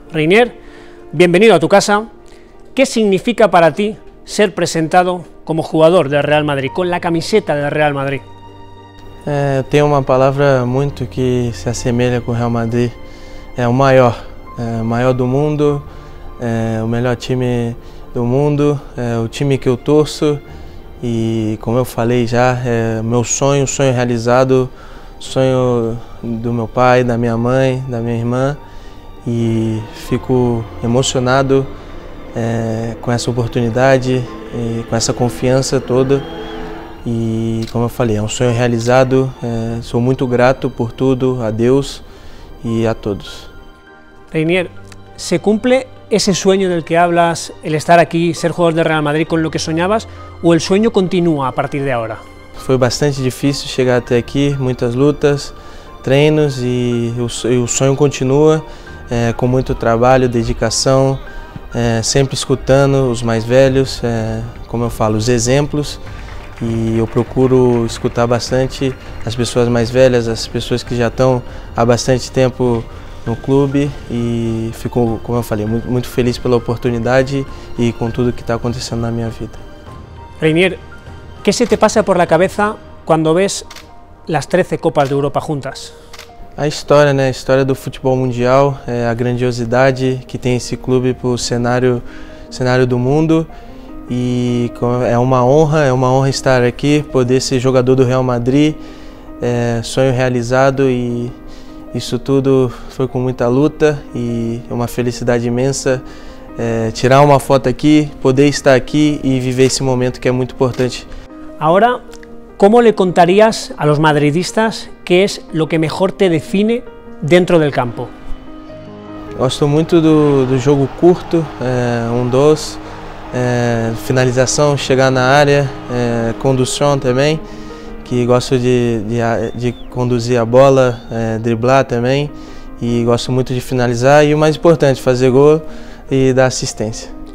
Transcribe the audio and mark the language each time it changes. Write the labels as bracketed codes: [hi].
[es] Reinier, bienvenido a tu casa. ¿Qué significa para ti ser presentado como jugador del Real Madrid, con la camiseta del Real Madrid? Tengo una palabra mucho que se asemeja con Real Madrid. Es el mayor, mayor del mundo. [pt] O melhor time do mundo, o time que eu torço e, como eu falei já, meu sonho, sonho realizado, sonho do meu pai, da minha mãe, da minha irmã e fico emocionado com essa oportunidade, e com essa confiança toda e, como eu falei, é um sonho realizado, sou muito grato por tudo, a Deus e a todos. [es] Reinier, se cumple ese sueño del que hablas, el estar aquí, ser jugador de Real Madrid, con lo que soñabas, o el sueño continúa a partir de ahora? Fue bastante difícil llegar hasta aquí, muchas luchas, treinos y el sueño continúa con mucho trabajo, dedicación, siempre escuchando los más velhos, como yo falo, los ejemplos, y yo procuro escuchar bastante las personas más velhas, las personas que ya están há bastante tiempo no clube [pt] e fico, como eu falei, muito, muito feliz pela oportunidade e com tudo que está acontecendo na minha vida. Reinier, que se te passa por la cabeça quando vês as 13 Copas de Europa juntas? A história, né? A história do futebol mundial, a grandiosidade que tem esse clube para o cenário do mundo. E é uma honra estar aqui, poder ser jogador do Real Madrid, sonho realizado e isso tudo foi com muita luta e uma felicidade imensa tirar uma foto aqui, poder estar aqui e viver esse momento que é muito importante. [es] Agora, como le contarias a los madridistas que es lo que mejor te define dentro del campo? [pt] Gosto muito do jogo curto, um dos, finalização, chegar na área, condução também. Que gosto de conduzir a bola, driblar também e gosto muito de finalizar e o mais importante, fazer gol e dar assistência.